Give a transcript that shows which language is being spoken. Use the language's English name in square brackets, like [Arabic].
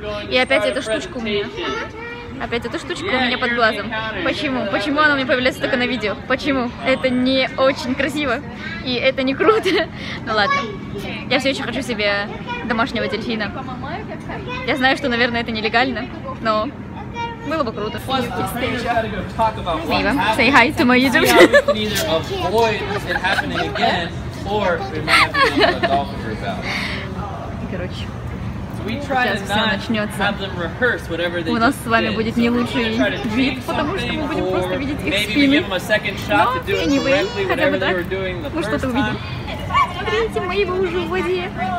[Russian] И опять эта штучка у меня. Опять эта штучка у меня под глазом. Почему? Почему она у меня появляется только на видео? Почему? Это не очень красиво. И это не круто. Ну ладно. Я все еще хочу себе домашнего дельфина. Я знаю, что, наверное, это нелегально, но было бы круто. [English] Мэйва, say hi to my YouTube channel. [Russian] Короче. Сейчас все начнется. У нас с вами будет не лучший вид, потому что мы будем просто видеть их спины. Но [English] anyway, [Russian] хотя бы так, мы что-то увидим. Смотрите, мы его уже в воде.